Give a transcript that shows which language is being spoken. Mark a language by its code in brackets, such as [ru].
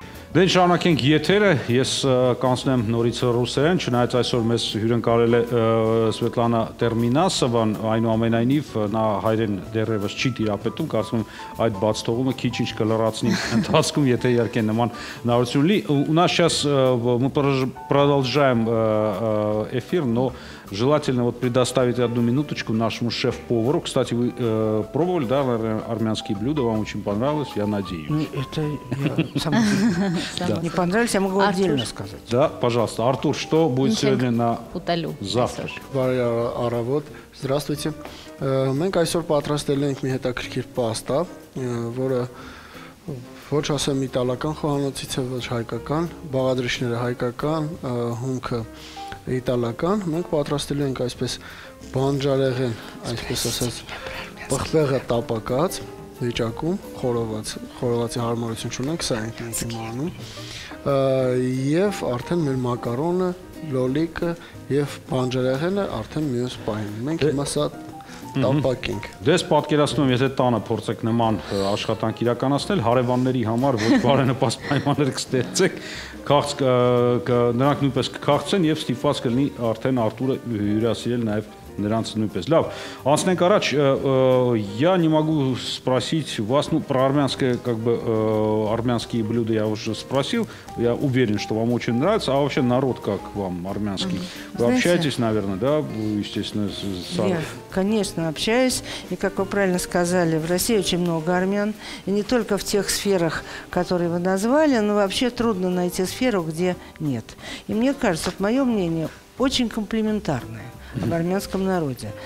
[hy] Դեն շարունակենք եթերը, ես կանցնեմ նորից ռուսերեն, չնայած այսօր մեզ հյուրընկալել է Սվետլանա Տերմինասովան, այնուամենայնիվ նա հայերեն դեռևս չի տիրապետում, կարծում այդ բաց թողումը քիչ-ինչ կլրացնի ընթացքում, եթե իհարկե նման հնարություն լի։ [ru] У нас сейчас мы продолжаем эфир, но желательно вот предоставить одну минуточку нашему шеф-повару. Кстати, вы пробовали, да, армянские блюда? Вам очень понравилось, я надеюсь. Ну, это сам не понравилось, я могу отдельно сказать. Да, пожалуйста. Артур, что будет сегодня на завтрак? Варя Аравот, здравствуйте. [hy] Мы кайсор патрастели ենք մի հետաքրքիր паста, որը ոչ ասեմ իտալական խոհանոցից է, ոչ հայկական, բաղադրիչները հայկական, հումքը իտալական, մենք պատրաստելու ենք այսպես բանջարեղեն, այսպես ասած, պղպեղը տապակած, վիճակում, խորովածի հարմարություն չունենք, սա ենք ենք իմ անում, և արդեն մեր մակարոնը, լոլիկը և բանջարեղենը արդեն մյուս պահին, մենք հիմա սա տապակինք։ Դես պատկերացնում եմ, եթե տանը փորձեք նման աշխատանք իրականացնել, հարևանների համար ոչ բարենպաստ պայմաններ կստեղծեք, նրանք նույնպես կքաղցեն և ստիպված կլինի արդեն Արտուրը հյուրասիրել նաև նրանց նույնպես։ Լավ, անցնենք առաջ, [ru] я не могу спросить вас, ну, про армянское, как бы, армянские блюда я уже спросил, я уверен, что вам очень нравится, а вообще народ как вам армянский? Знаете, вы общаетесь, наверное, да, естественно, с армян? Я, конечно, общаюсь, и, как вы правильно сказали, в России очень много армян, и не только в тех сферах, которые вы назвали, но вообще трудно найти сферу, где нет. И мне кажется, мое мнение очень комплиментарное. В армянском народе.